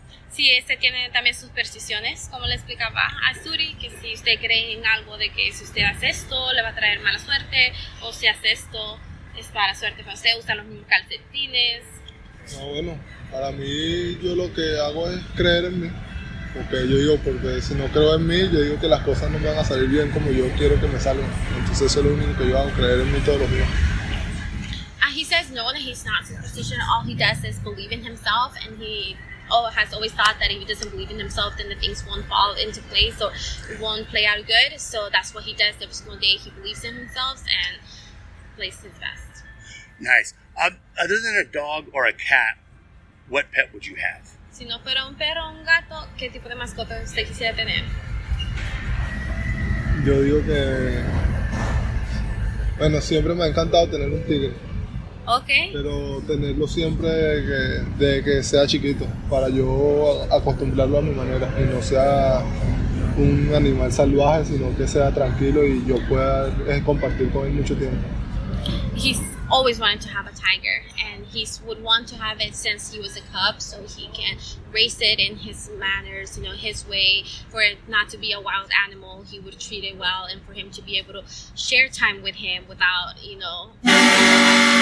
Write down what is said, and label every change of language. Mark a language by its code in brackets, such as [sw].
[es] Sí, este tiene también supersticiones, como le explicaba a Suri, que si usted cree en algo de que si usted hace esto, le va a traer mala suerte, o si hace esto, es para suerte para usted, usa los mismos calcetines. No, bueno, para mí yo lo que hago es creer en mí, porque si no creo en mí, yo digo que las cosas no me van a salir bien como yo quiero que me salgan, entonces eso es lo único que yo hago, creer en mí todos los días. [en] He says no, and he's not superstitious, all he does is believe in himself, and he... Oh, has always thought that if he doesn't believe in himself, then the things won't fall into place or won't play out good. So that's what he does every single day. He believes in himself and plays his best. Nice. Other than a dog or a cat, what pet would you have? [es] Si no fuera un perro o un gato, ¿qué tipo de mascota usted quisiera tener? Yo digo que... Bueno, siempre me ha encantado tener un tigre. [en] Okay. [es] Pero tenerlo siempre de que sea chiquito, para yo acostumbrarlo a mi manera, y no sea un animal salvaje, sino que sea tranquilo y yo pueda compartir con él mucho tiempo. [en] He's always wanted to have a tiger, and he would want to have it since he was a cub, so he can raise it in his manners, you know, his way, for it not to be a wild animal. He would treat it well, and for him to be able to share time with him without, you know...